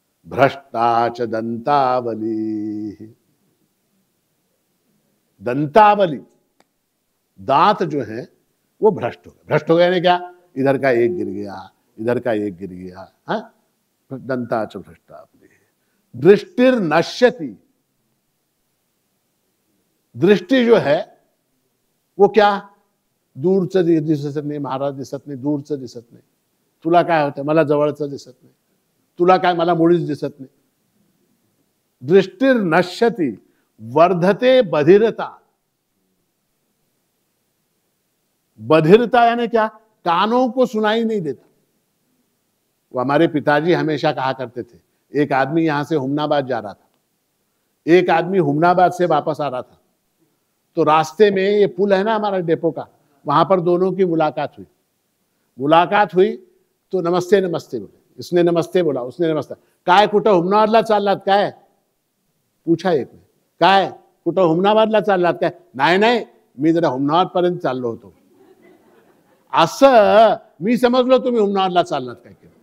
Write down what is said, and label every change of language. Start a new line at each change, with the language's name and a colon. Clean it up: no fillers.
Sanskrit: भ्रष्टा च दंतावली,
Hindi: दंतावली दांत जो है वो भ्रष्ट हो गए। भ्रष्ट हो गए यानी क्या? इधर का एक गिर गया, इधर का एक गिर गया, है दंता च भ्रष्टा।
Sanskrit: दृष्टिर नश्यति,
Hindi: दृष्टि जो है वो क्या?
Marathi: दूरच दिसत नाही, महाराज दिसत नाही, दूरच दिसत नाही, तुला काय होतं मला जवळच दिसत नाही, तुला काय मला मुळीच दिसत नाही.
Sanskrit: दृष्टीर नश्यती वर्धते बधिरता.
Hindi: बधिरता यानी क्या, कानों को सुनाई नहीं देता. वो हमारे पिताजी हमेशा कहा करते थे, एक आदमी यहां से हुमनाबाद जा रहा था, एक आदमी हुमनाबाद से वापस आ रहा था, तो रास्ते में ये पुल है ना हमारा डेपो का, वहां पर दोनों की मुलाकात हुई. मुलाकात हुई तो नमस्ते नमस्ते बोले, इसने नमस्ते बोला, उसने नमस्ते,
Marathi: काय कुठं हुमनाबादला चाललात काय,
Hindi: पूछा एक ने,
Marathi: काय कुठं हुमनाबादला चाललात काय, नाही नाही मी जरा हुमनाबाद पर्यंत चाललो होतो, अस मी समजलो तुम्ही हुमनाबादला चाललात काय.